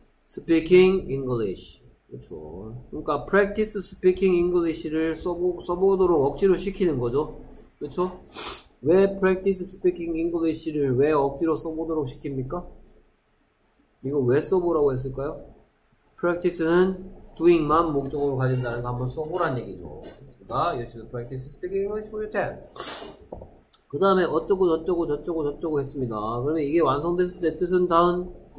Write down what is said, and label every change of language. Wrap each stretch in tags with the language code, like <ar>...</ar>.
<en>Speaking English.</en> <ko>그렇죠. 그러니까 practice speaking English를 써보도록 억지로 시키는 거죠. 그렇죠? 왜 practice speaking English를 왜 억지로 써보도록 시킵니까? 이거 왜 써보라고 했을까요? Practice는 doing만 목적으로 가진다는 거 한번 써보란 얘기죠. 그러니까</ko> <en>you should practice speaking English for your test.</en> <ko>그 다음에 어쩌고 했습니다. 그러면 이게 완성됐을 때 뜻은 다음?</ko>